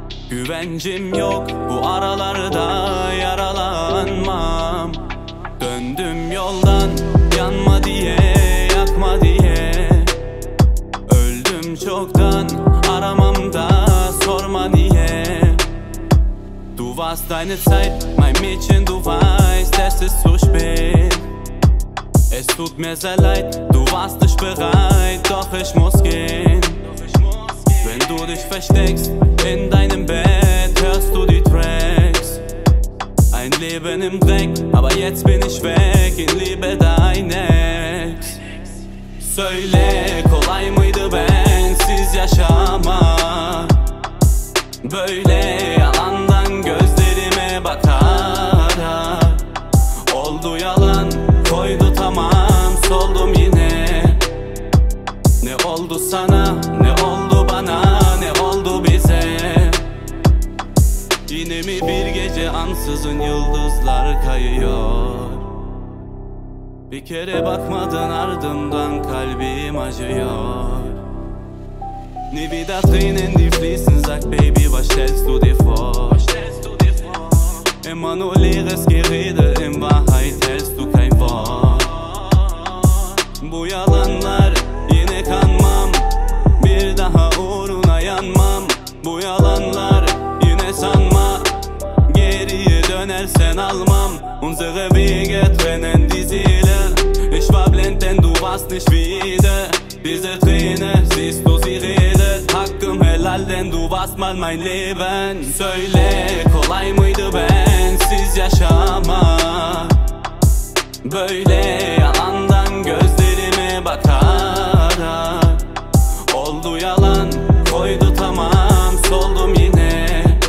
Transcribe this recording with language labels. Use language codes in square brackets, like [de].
[tr] Güvencim yok bu aralarda, yaralanmam. Döndüm yoldan, yanma diye, yakma diye. Öldüm çoktan, aramam da sorma niye. [de] Du warst deine Zeit, mein Mädchen, du weißt, es ist zu spät. Es tut mir sehr leid, du warst nicht bereit, doch ich muss gehen. Wenn du dich versteckst in deinem Bett, hörst du die Tracks. Ein Leben im Dreck, aber jetzt bin ich weg, in Liebe dein Ex. [tr] Söyle, kolay mıydı bensiz yaşama? Böyle yalandan gözlerime bakarak oldu yalan. Koydu tamam, soldum yine. Ne oldu sana, ne oldu bana, ne oldu bize? Yine mi bir gece ansızın yıldızlar kayıyor? Bir kere bakmadın ardından kalbim acıyor. [de] Ne wieder Tränen, die fließen, sag baby, was stellst du dir vor? Immer nur leeres Gerede, in Wahrheit hältst du kein Wort. [tr] Bu yalanlar, yine kanmam, bir daha uğruna yanmam. Bu yalanlar, yine sanma, geriye dönersen almam. [de] Unsere Wege trennen die Seele, ich war blind, denn du warst nicht wieder. Diese Träne, siehst du sie redet, [tr] hakkım helal, [de] denn du warst mal mein Leben. [tr] Söyle, kolay mıydı bensiz yaşama? Böyle yalandan gözlerime bakarak oldu yalan, koydu tamam, soldum yine.